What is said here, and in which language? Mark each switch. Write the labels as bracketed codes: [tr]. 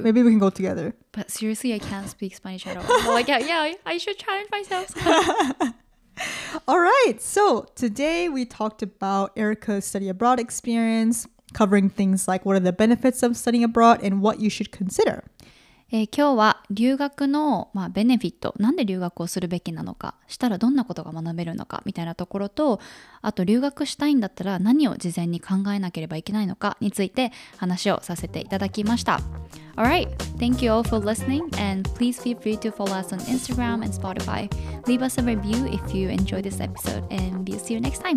[en] Maybe we can go together. But seriously, I can't speak Spanish at all. Like, yeah, I should challenge myself. All right. So today we talked about Erika's study abroad experience, covering things like what are the benefits of studying abroad and what you should consider. [ja] 今日は留学の、まあ、ベネフィット、なんで留学をするべきなのか、したらどんなことが学べるのかみたいなところと、あと留学したいんだったら何を事前に考えなければいけないのかについて話をさせていただきました。 [en] Alright, thank you all for listening and please feel free to follow us on Instagram and Spotify. Leave us a review if you enjoy this episode and we'll see you next time.